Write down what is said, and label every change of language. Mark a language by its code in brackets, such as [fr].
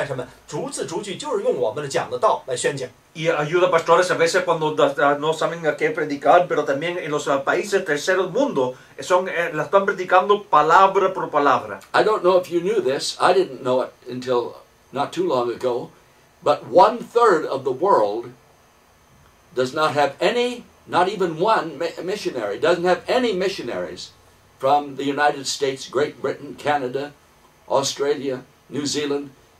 [zh] 要知道很多的牧师，当他们自己根本没有不知道要宣讲什么的时候呢，通过网站可以得到一些启发。很多在第三世界国家那些教会的牧师，通过我们网站上面逐字逐句，就是用我们的讲的道来宣讲。 [es] Y ayuda a pastores a veces cuando no saben a qué predicar, pero también en los países terceros mundo la están predicando palabra por palabra. [en] I don't know if you knew this. I didn't know it until not too long ago. But 1/3 of the world does not have any, not even one missionary, doesn't have any missionaries from the United States, Great Britain, Canada, Australia, New Zealand.